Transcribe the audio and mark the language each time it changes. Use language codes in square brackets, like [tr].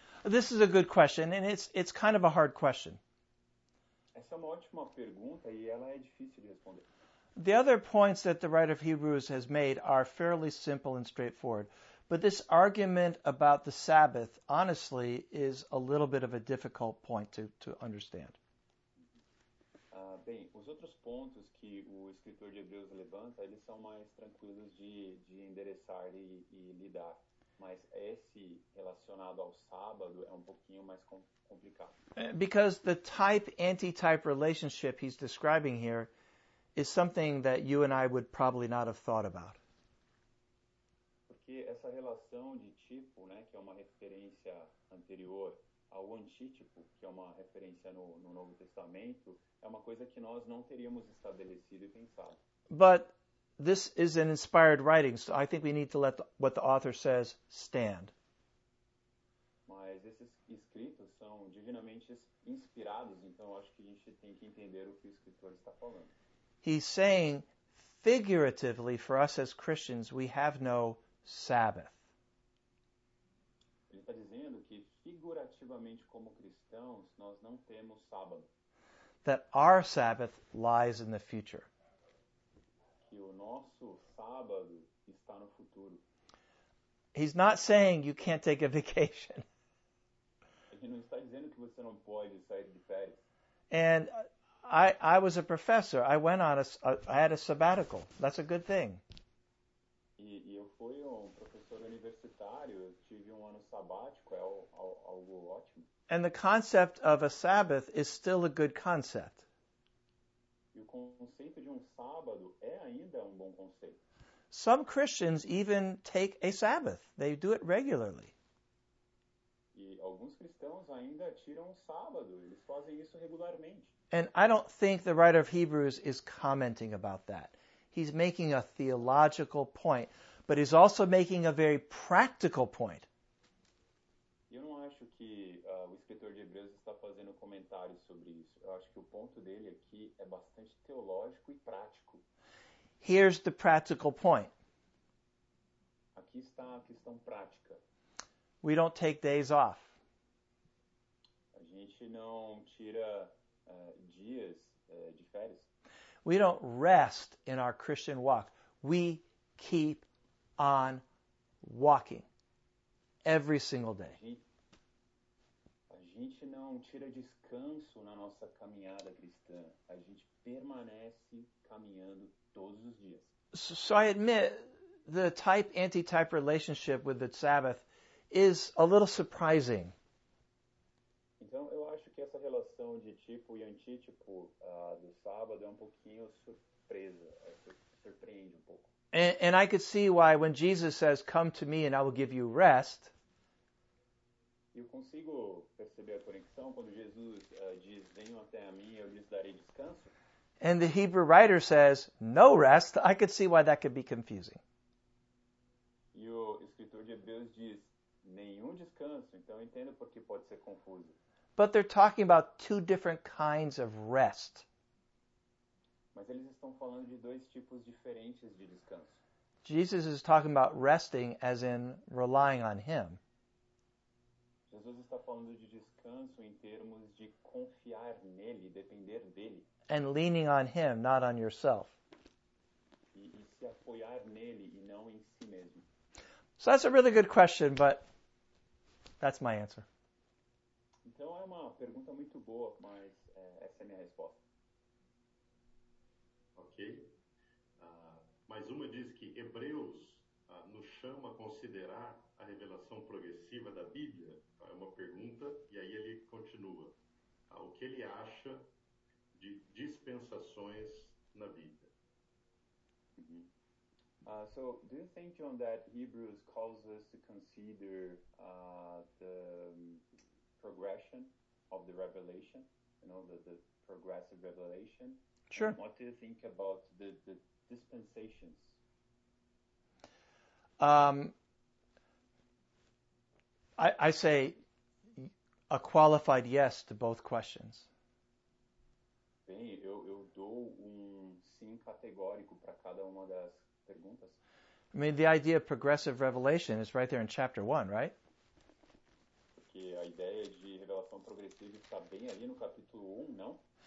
[en] This is a good question, and it's kind of a hard question. [pt] Essa é uma ótima pergunta, e ela é difícil de responder. [en] The other points that the writer of Hebrews has made are fairly simple and straightforward. But this argument about the Sabbath, honestly, is a little bit of a difficult point to understand. [pt] Bem, os outros pontos que o escritor de Hebreus levanta, eles são mais tranquilos de endereçar e lidar. Mas esse relacionado ao sábado é um pouquinho mais complicado. [en] Because the type-anti-type relationship he's describing here is something that you and I would probably not have thought about. [pt] Porque essa relação de tipo, né, que é uma referência anterior ao antítipo, que é uma referência no Novo Testamento, é uma coisa que nós não teríamos estabelecido e pensado. [en] But this is an inspired writing, so I think we need to let what the author says stand. [pt] Mas esses escritos são divinamente inspirados, então acho que a gente tem que entender o que o escritor está falando. [en] He's saying, figuratively, for us as Christians, we have no Sabbath. [pt] Ele está dizendo que, figurativamente, como cristãos, nós não temos sábado. [en] That our Sabbath lies in the future. [pt] Que o nosso sábado está no futuro. [en] He's not saying you can't take a vacation. [pt] Ele não está dizendo que você não pode sair de férias. [en] And I was a professor. I went on I had a sabbatical. That's a good thing. [pt] E eu fui um professor universitário. Eu tive um ano sabático. É algo ótimo. [en] And the concept of a Sabbath is still a good concept. [pt] E o conceito de sábado é ainda bom conceito. [en] Some Christians even take a Sabbath. They do it regularly. [pt] E alguns cristãos ainda tiram sábado. Eles fazem isso regularmente. [en] And I don't think the writer of Hebrews is commenting about that. He's making a theological point, but he's also making a very practical point. [pt] Eu não acho que o escritor de Hebreus está fazendo comentários sobre isso. Eu acho que o ponto dele aqui é bastante teológico e prático. [en] Here's the practical point. [pt] Aqui está a questão prática. [en] We don't take days off. [pt] A gente não tira dias de férias. [en] We don't rest in our Christian walk. We keep on walking every single day. [pt] A gente não tira descanso na nossa caminhada cristã. A gente permanece caminhando todos os dias. [en] So I admit the type anti-type relationship with the Sabbath is a little surprising. [pt] Então, eu acho que essa relação de tipo e antítipo do sábado é um pouquinho surpresa, surpreende um pouco. [en] And I could see why when Jesus says, come to me and I will give you rest. [pt] Eu consigo perceber a conexão quando Jesus diz, venham até a mim e eu lhes darei descanso. [en] And the Hebrew writer says, no rest. I could see why that could be confusing. [pt] E o escritor de Hebreus diz, nenhum descanso, então eu entendo porque pode ser confuso. [en] But they're talking about two different kinds of rest. [pt] Mas eles estão falando de dois tipos diferentes de descanso. [en] Jesus is talking about resting as in relying on him. [pt] Jesus está falando de descanso em termos de confiar nele, depender dele. [en] And leaning on him, not on yourself. [pt] E se apoiar nele e não em si mesmo. [en] So that's a really good question, but that's my answer. [pt] Então é uma pergunta muito boa, mas essa é a minha resposta. Ok. Mais uma diz que Hebreus nos chama a considerar a revelação progressiva da Bíblia. É uma pergunta, e aí ele continua. O que ele acha de dispensações na Bíblia? [en] So do you think, John, that Hebrews calls us to consider the progression of the revelation, you know, the progressive revelation? Sure. And what do you think about the dispensations? I say a qualified yes to both questions. [pt] Bem, eu dou sim categórico para cada uma das perguntas. [en] I mean, the idea of progressive revelation is right there in chapter 1, right? [pt] Porque a ideia de revelação progressiva está bem ali no capítulo 1, não?